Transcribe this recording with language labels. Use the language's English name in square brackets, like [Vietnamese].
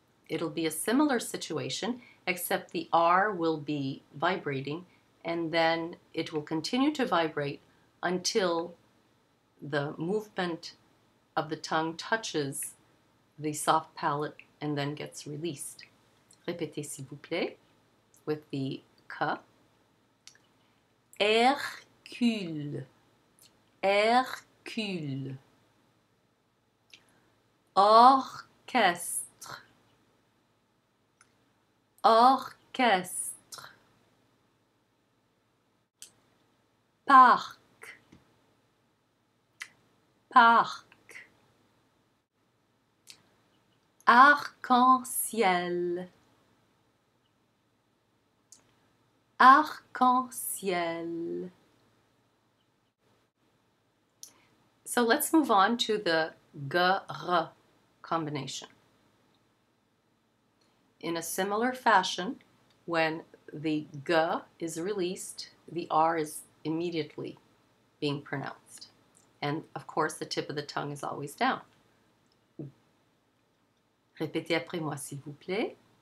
[English] It'll be a similar situation, except the r will be vibrating, and then it will continue to vibrate until the movement of the tongue touches the soft palate and then gets released. [French] Répétez, s'il vous plaît, [English] with the K. [French] Hercule, Hercule. Orchestre, orchestre. Parc. Parc. Arc-en-ciel. Arc-en-ciel. [English] So let's move on to the g-r combination. In a similar fashion, when the g is released, the r is immediately being pronounced. And of course, the tip of the tongue is always down. [French] Répétez après moi, s'il vous plaît.